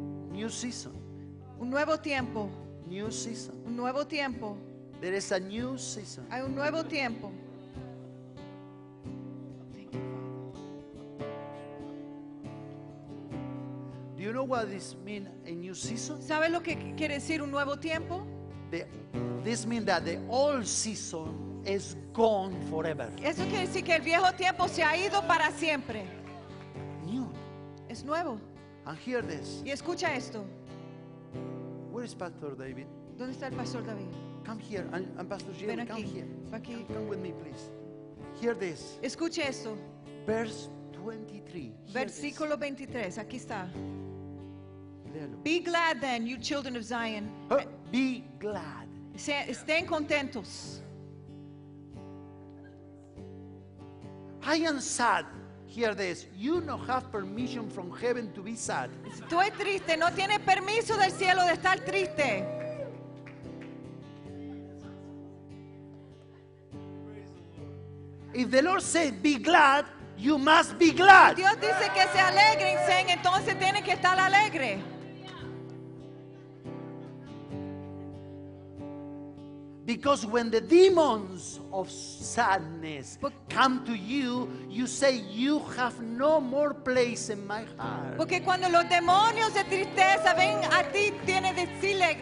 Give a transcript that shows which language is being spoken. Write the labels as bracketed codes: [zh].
[en] New season. [es] Un nuevo tiempo. [en] New season. [es] Un nuevo tiempo. [en] There is a new season. [es] Hay un nuevo tiempo. [en] Do you know what this mean a new season? [es] ¿Sabe lo que quiere decir un nuevo tiempo? [en] This means that the old season is gone forever. [es] Eso quiere decir que el viejo tiempo se ha ido para siempre. [en] New. [es] Es nuevo. [en] And hear this. [es] Y escucha esto. [en] Where is Pastor David? [es] ¿Dónde está el Pastor David? [en] Come here. And Pastor Jim, [es] ven aquí. [en] Come here. [es] Aquí. [en] Come with me, please. Hear this. [es] Escucha esto. [en] Verse 23. [es] Versículo 23. Aquí está. [en] Be glad then, you children of Zion. Be glad. [es] Estén contentos. [en] I am sad. Hear this. You no have permission from heaven to be sad. [es] Estoy triste. No tienes permiso del cielo de estar triste. [en] If the Lord says be glad, you must be glad. [es] Dios dice que se alegren, sean, entonces tienen que estar alegre. [en] Because when the demons of sadness come to you, you say you have no more place in my heart. [es] Porque cuando los demonios de tristeza ven a ti, tiene decirle,